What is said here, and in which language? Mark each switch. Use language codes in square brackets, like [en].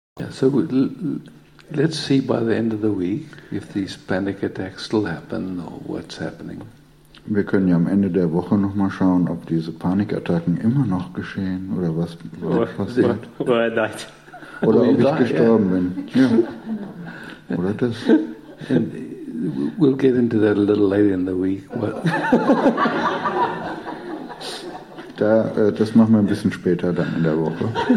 [en] So let's see by the end of the week if these panic attacks still happen or what's happening. [de] Wir können ja am Ende der Woche noch mal schauen, ob diese Panikattacken immer noch geschehen oder was passiert. Oder ob ich gestorben bin. Ja. Oder das. [en] And we'll get into that a little later in the week. [de] Das machen wir ein bisschen später dann in der Woche.